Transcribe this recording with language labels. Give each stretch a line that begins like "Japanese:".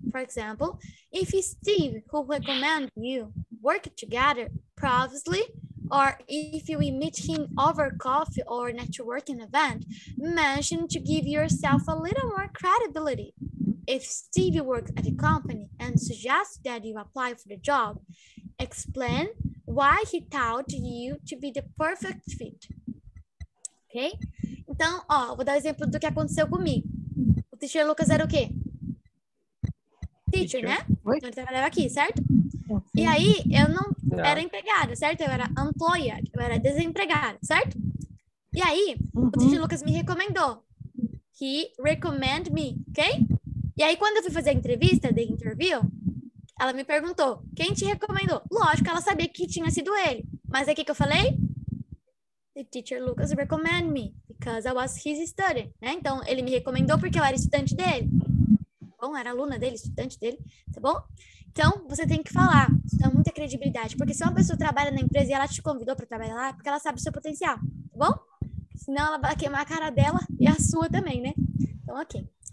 English: For example, if it's Steve who recommend you, work together, previously, or if you meet him over coffee or networking event, mention to give yourself a little more credibility. If Steve works at the company and suggests that you apply for the job, explain why he thought you to be the perfect fit. Ok?
Portuguese: Então, ó, vou dar um exemplo do que aconteceu comigo. O teacher Lucas era o quê? Teacher, né? Oi? Então ele trabalhava aqui, certo? E aí, eu não era empregada, certo? Eu era employed, eu era desempregada, certo? E aí, o teacher Lucas me recomendou.
English: He recommend me,
Portuguese: ok? E aí, quando eu fui fazer a entrevista, the interview, ela me perguntou, quem te recomendou? Lógico, ela sabia que tinha sido ele. Mas aí, o que eu falei?
English: The teacher Lucas recommend me, because I was his student, né?
Portuguese: Então, ele me recomendou porque eu era estudante dele. Bom, era aluna dele, estudante dele, tá bom? Então, você tem que falar. Isso dá muita credibilidade. Porque se uma pessoa trabalha na empresa e ela te convidou para trabalhar lá, porque ela sabe o seu potencial, tá bom? Senão, ela vai queimar a cara dela e a sua também, né? Então, ok.